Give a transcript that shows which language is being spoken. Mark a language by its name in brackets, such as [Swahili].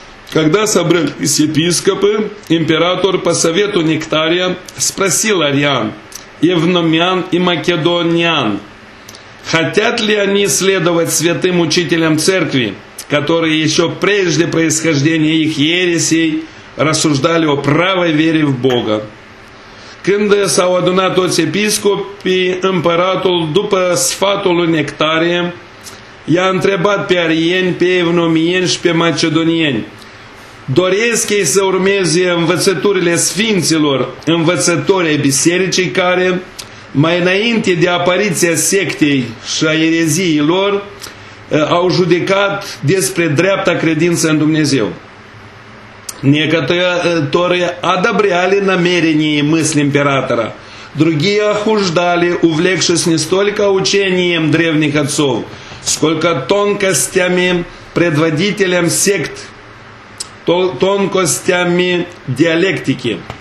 [Russian] Когда собрались епископы, император по совету Нектария спросил Ариан, Евномян и Македониан, хотят ли они следовать святым учителям церкви, которые еще прежде происхождения их ересей рассуждали о правой вере в Бога. [Romanian] Când s-au adunat toți episcopii, împăratul, după sfatul lui Nectarie, i-a întrebat pe arieni, pe evnomieni și pe macedonieni, doresc ei să urmeze învățăturile sfinților, învățătorii bisericii care, mai înainte de apariția sectei și a ereziilor, au judecat despre dreapta credință în Dumnezeu. [Russian] Некоторые одобряли намерения и мысли императора, Другие охуждали, увлекшись не столько учением древних отцов, сколько тонкостями предводителям сект, тонкостями диалектики.